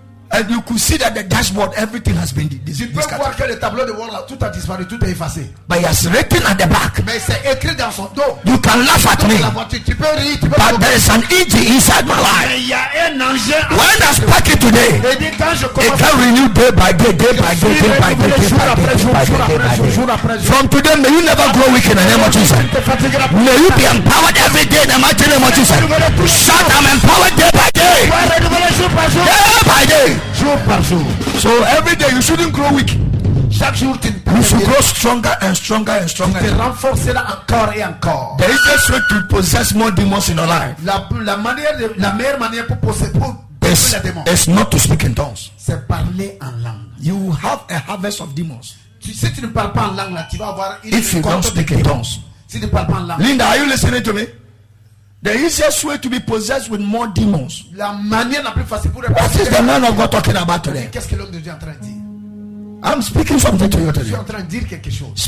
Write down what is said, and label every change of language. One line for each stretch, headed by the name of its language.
English: And you could see that the dashboard, everything has been discarded.
French: Tu peux voir que le tableau de bord là, tout a disparu, tout est effacé.
English: But it's written at the back.
French: Mais c'est écrit dans son dos.
English: You can laugh at me.
French: La voiture, tu peux rire, tu peux.
English: But there is an engine inside my life.
French: Mais y a un engin.
English: When I spark it today,
French: dit, quand je
English: it can renew day by day, day by day, day by day, day by day, jour day jour by day, day by jour day. From today, may you never grow weak in the name of Jesus. May you be empowered every day in the mighty name of Jesus. Shout, I'm empowered day by day. Day by day. So every day you shouldn't grow weak.
French: Chaque jour,
English: you should grow stronger and stronger and stronger.
French: Te renforcera encore et encore.
English: The easiest way to possess more demons in your life.
French: La manière de, la meilleure manière pour posséder la démon.
English: Is not to speak in tongues.
French: C'est parler en langue.
English: You have a harvest of demons.
French: Si tu ne parles pas en langue là, tu vas avoir une.
English: If you don't speak in tongues.
French: Si tu ne parles pas en langue.
English: Linda, are you listening to me? The easiest way to be possessed with more demons.
French: La manière la plus facile pour.
English: What is the man of God talking about today?
French: Qu'est-ce que l'homme de Dieu est en train de dire?
English: I'm speaking something to you today.
French: Je suis en train de dire quelque chose.